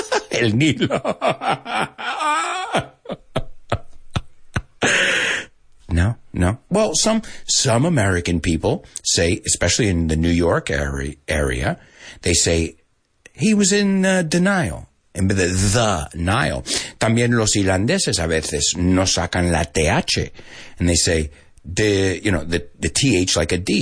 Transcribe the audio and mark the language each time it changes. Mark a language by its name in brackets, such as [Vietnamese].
[Spanish] El Nilo. No, no. [English] Well, some American people say, especially in the New York area, they say he was in denial. [Spanish] En vez de the Nile. También los irlandeses a veces no sacan la TH. [English] And they say the, you know, the TH like a D.